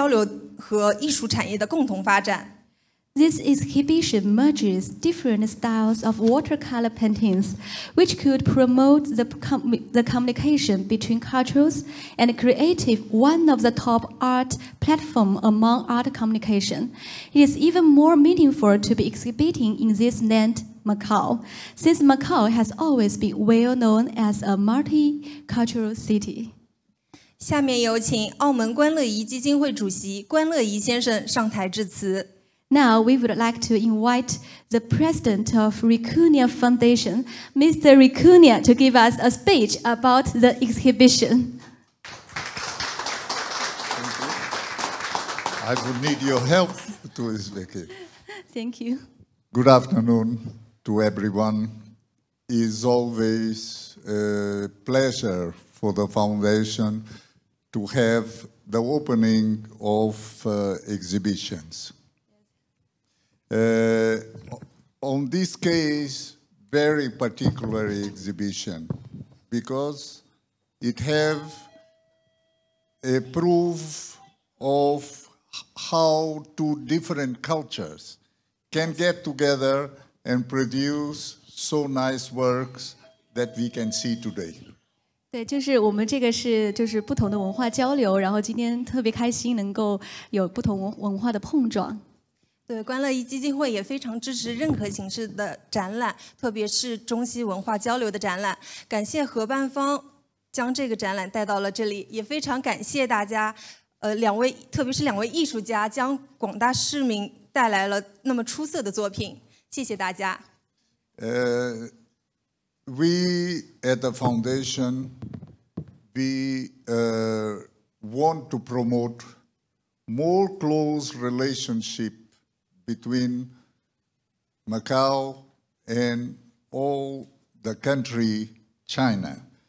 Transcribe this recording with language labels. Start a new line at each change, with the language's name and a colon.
Chinese: 此次画展将中西两种不同风格的水彩作品齐聚一堂，进行文化交流，打造出一个高端艺术文化交流的平台，也借此契机在弘扬优秀艺术的同时，提高了澳门居民和内地居民的精神文化生活，促进双方文化交流和艺术产业的共同发展。
English: This exhibition merges different styles of watercolor paintings, which could promote the communication between cultures and creative one of the top art platform among art communication. It is even more meaningful to be exhibiting in this land, Macau, since Macau has always been well known as a multicultural city.
Chinese: 下面有请澳门观乐怡基金会主席观乐怡先生上台致辞。
English: Now, we would like to invite the president of Ricunia Foundation, Mr. Ricunia, to give us a speech about the exhibition. Thank you. I will need your help to speak. Thank you. Good afternoon to everyone. It's always a pleasure for the foundation to have the opening of exhibitions. On this case, very particular exhibition, because it have a proof of how two different cultures can get together and produce so nice works that we can see today.
Chinese: 对，就是我们这个是就是不同的文化交流，然后今天特别开心能够有不同文化的碰撞。对，观乐艺基金会也非常支持任何形式的展览，特别是中西文化交流的展览。感谢合办方将这个展览带到了这里，也非常感谢大家，两位，特别是两位艺术家将广大市民带来了那么出色的作品，谢谢大家。
English: We at the foundation, we want to promote more close relationship between Macau and all the country, China.